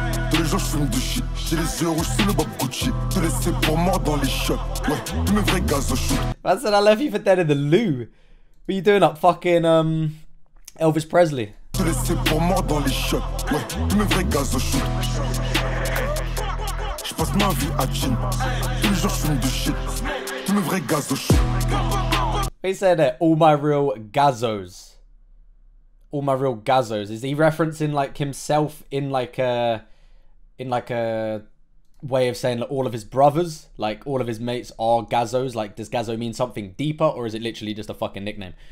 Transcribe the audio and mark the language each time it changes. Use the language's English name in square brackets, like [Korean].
[French] Tous les jours je fume du shit. J'ai les yeux rouges, c'est le Bob Gucci. Te laisser pour mort dans les shots. Ouais, tu me ferais gaz au shoot. [English] Man said I left you for dead in the loo. What are you doing up fucking Elvis Presley? [French] Te laisser pour mort dans les shots. Ouais, tu me ferais gaz au shoot. Je passe ma vie à Tchin. Tous les jours je fume du shit. Tu me ferais gaz au shoot. [English] He said it, all my real gazos. All my real gazos. Is he referencing like himself in like a way of saying like all of his brothers, like all of his mates are gazos? Like, does gazo mean something deeper, or is it literally just a fucking nickname?